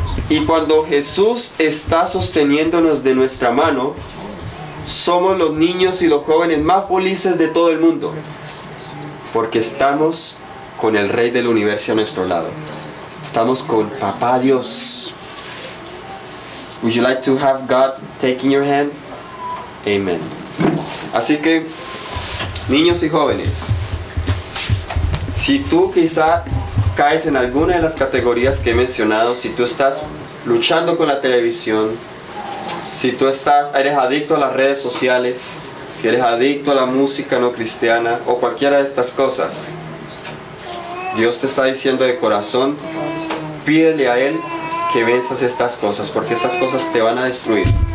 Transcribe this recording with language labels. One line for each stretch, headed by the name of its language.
Spanish: Y cuando Jesús está sosteniéndonos de nuestra mano, somos los niños y los jóvenes más felices de todo el mundo. Porque estamos con el Rey del Universo a nuestro lado. Estamos con Papá Dios.
English: Would you like to have God taking your hand? Amen.
Spanish: Así que, niños y jóvenes, si tú quizá caes en alguna de las categorías que he mencionado, si tú estás luchando con la televisión, si tú eres adicto a las redes sociales, si eres adicto a la música no cristiana o cualquiera de estas cosas, Dios te está diciendo de corazón, pídele a Él que venzas estas cosas, porque estas cosas te van a destruir.